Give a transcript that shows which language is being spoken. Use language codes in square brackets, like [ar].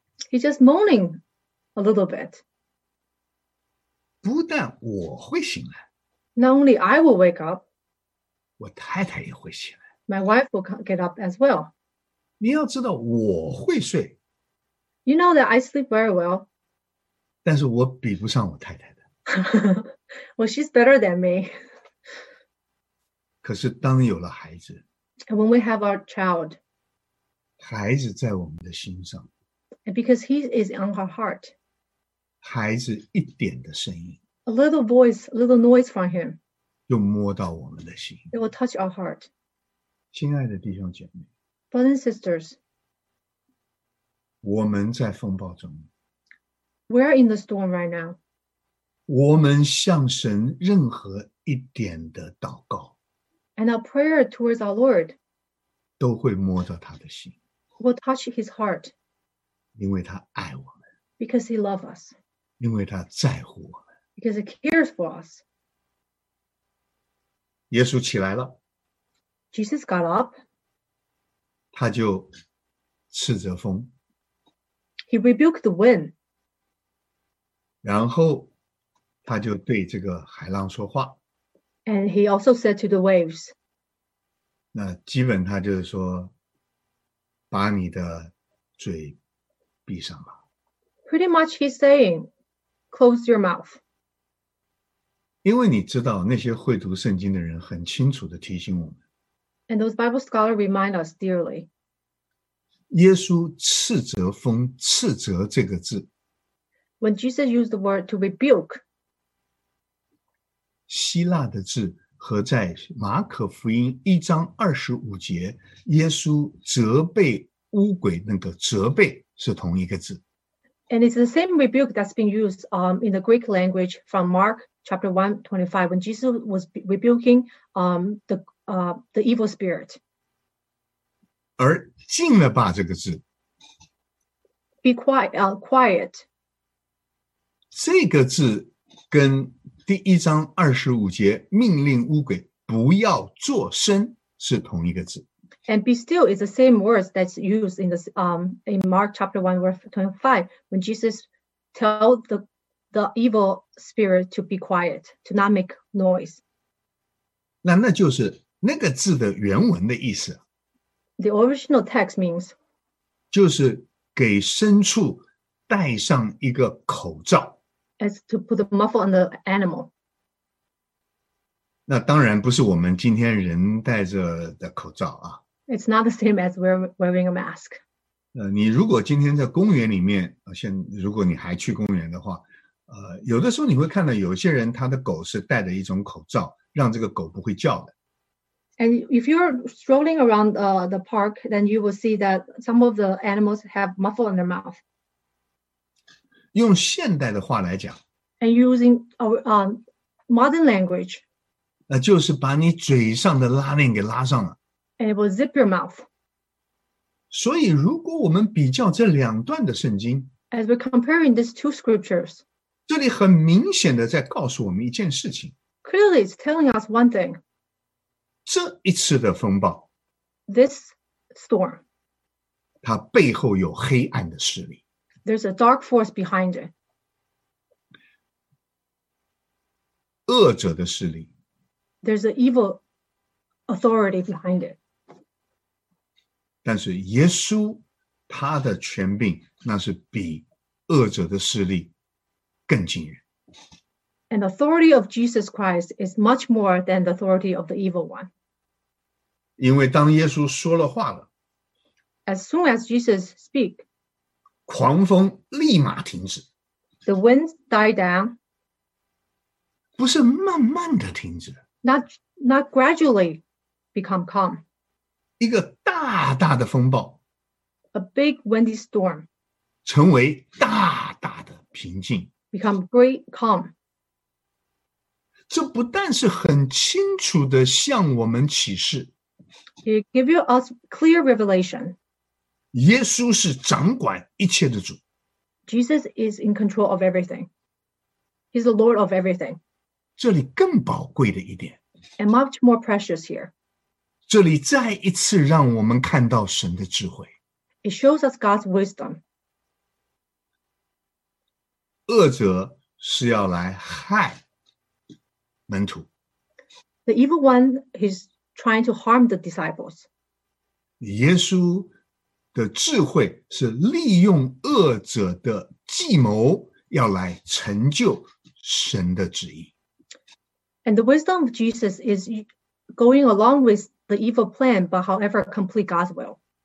[en] He's just moaning a little bit. [zh] 不但我会醒来。 [en] Not only I will wake up. [zh] 我太太也会醒来。 [en] My wife will get up as well. [zh] 你要知道我会睡。 [en] You know that I sleep very well. [zh] 但是我比不上我太太的。 [en] Well, she's better than me. [zh] 可是当有了孩子。 [en] And when we have our child, [zh] 孩子在我们的心上, [en] because he is on our heart, [zh] 孩子一点的声音, [en] a little voice, a little noise from him, [zh] 就摸到我们的心, [en] it will touch our heart. [zh] 亲爱的弟兄姐妹, [en] brothers and sisters, [zh] 我们在风暴中, [en] we are in the storm right now, [zh] 我们向神任何一点的祷告, [en] and our prayer towards our Lord [zh] 都会摸到他的心, [en] will touch his heart [zh] 因为他爱我们, [en] because he loves us [zh] 因为他在乎我们, [en] because he cares for us. [zh] 耶稣起来了, [en] Jesus got up, [zh] 他就斥责风, [en] he rebuked the wind, [zh] 然后他就对这个海浪说话, [en] and he also said to the waves, [zh] 那基本他就是说把你的嘴闭上吧。 [en] Pretty much he's saying, close your mouth. [zh] 因为你知道那些会读圣经的人很清楚地提醒我们。 [en] And those Bible scholars remind us dearly. [zh] 耶稣斥责风，斥责这个字。 [en] When Jesus used the word to rebuke, [zh] 希腊的字和在马可福音一章二十五节耶稣责备污鬼那个责备是同一个字。 [en] And it's the same rebuke that's been used in the Greek language from Mark chapter 1:25 when Jesus was rebuking the evil spirit. [zh] 而静了吧这个字。 [en] Be quiet. [zh] 这个字跟第一章二十五节命令乌鬼不要作声是同一个字。 [en] And be still is the same words that's used in in Mark chapter 1 verse 25 when Jesus tell the evil spirit to be quiet, to not make noise. [zh] 那就是那个字的原文的意思。 [en] The original text means [zh] 就是给牲畜戴上一个口罩。 [en] As to put the muffle on the animal. [zh] 那当然不是我们今天人戴着的口罩啊。 [en] It's not the same as wearing a mask. [zh] 你如果今天在公园里面，如果你还去公园的话，有的时候你会看到有些人他的狗是戴着一种口罩，让这个狗不会叫的。 [en] And if you're strolling around the park, then you will see that some of the animals have muffle in their mouth. [zh] 用现代的话来讲 [en] and using modern language, [zh] 就是把你嘴上的拉链给拉上了 [en] and it will zip your mouth. [zh] 所以如果我们比较这两段的圣经， [en] As we're comparing these two scriptures, [zh] 这里很明显的在告诉我们一件事情。 [en] Clearly, it's telling us one thing. [zh] 这一次的风暴， [en] This storm, [zh] 它背后有黑暗的势力。 [en] There's a dark force behind it. [zh] 恶者的势力。 [en] There's an evil authority behind it. [zh] 但是耶稣他的权柄那是比恶者的势力更惊人。 [en] And the authority of Jesus Christ is much more than the authority of the evil one. [zh] 因为当耶稣说了话了， [en] As soon as Jesus speak, [zh] 狂风立马停止。 [en] The winds die down. [zh] 不是慢慢的停止。 [en] Not gradually become calm. [zh] 一个大大的风暴， [en] A big windy storm. [zh] 成为大大的平静， [en] Become great calm. [zh] 这不但是很清楚的向我们启示， [en] It gives you a clear revelation. [zh] 耶稣是掌管一切的主， [en] Jesus is in control of everything. He's the Lord of everything. [zh] 这里更宝贵的一点， [en] And much more precious here. [zh] 这里再一次让我们看到神的智慧。 [en] It shows us God's wisdom. [zh] 恶者是要来害门徒。 [en] The evil one is trying to harm the disciples. [zh] 耶稣的智慧是利用恶者的计谋要来成就神的旨意。 [en] And the wisdom of Jesus is going along with the evil plan, but however, complete God's will.